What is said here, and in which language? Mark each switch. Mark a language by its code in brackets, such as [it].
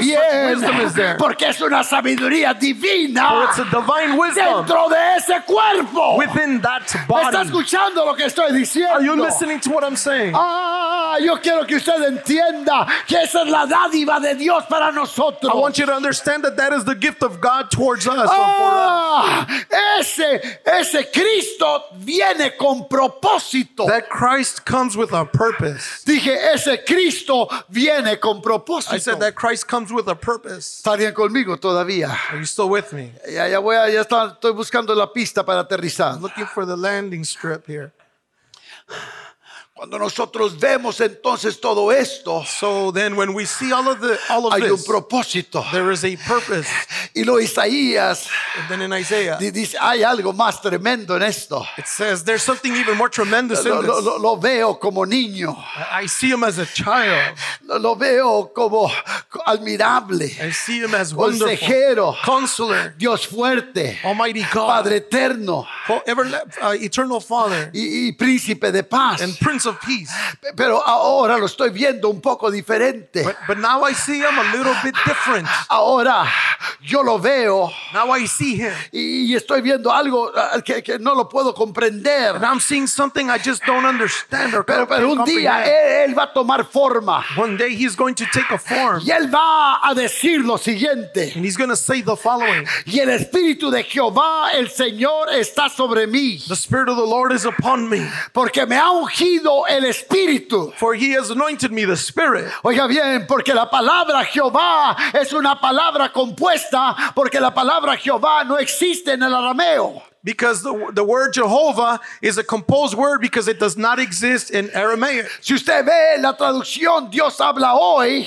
[es] bien, [en] such wisdom is there. [es] Porque es una sabiduría divina. [en] For it's a divine wisdom. [es] Dentro de ese cuerpo. [en] Within that body. [es] ¿Estás escuchando lo que estoy diciendo? [en] Are you listening to what I'm saying? [es] Ah, yo quiero que usted entienda que esa es la dádiva de Dios para nosotros. [en] I want you to understand that that is the gift of God towards us. [es] Ah, ese ese Cristo viene con propósito. [en] That Christ comes with a purpose. [es] Dije ese Cristo viene con propósito. [en] I said that Christ comes with a purpose. [es] ¿Estarían conmigo todavía? [en] Are you still with me? [es] Ya estoy buscando la pista para aterrizar. [en] I'm looking for the landing strip here. [es] Cuando nosotros vemos entonces todo esto, [en] so then when we see all of the all of [es] hay [en] this, [es] un propósito. [en] There is a purpose. [es] Y lo Isaías, [en] and then in Isaiah, [es] dice hay algo más tremendo en esto. [en] It says there's something even more tremendous in this. [es] Lo veo como niño. [en] I see him as a child. [es] Lo veo como admirable. [en] I see him as wonderful. [es] Consejero, [en] counselor, [es] Dios fuerte, [en] Almighty God, [es] Padre eterno, [en] eternal Father, [es] y príncipe de paz. [en] And Prince of Peace. [es] Pero ahora lo estoy viendo un poco diferente. [en] But now I see him a little bit different. [es] Ahora Yo lo veo. [en] Now I see him. [es] Y estoy viendo algo que no lo puedo comprender. [en] And I'm seeing something I just don't understand or [es] pero un [en] comprehend. [es] Día él va a tomar forma. [en] One day he's going to take a form. [es] Y él va a decir lo siguiente. [en] And he's going to say the following. [es] Y el espíritu de Jehová, el Señor, está sobre mí. [en] The spirit of the Lord is upon me. [es] Porque me ha ungido el espíritu. [en] For he has anointed me the spirit. [es] Oiga bien, porque la palabra Jehová es una palabra compuesta, porque la palabra Jehová no existe en el arameo. [en] Because the word Jehovah is a composed word because it does not exist in Aramaic. [es] Si usted ve la traducción, Dios habla hoy.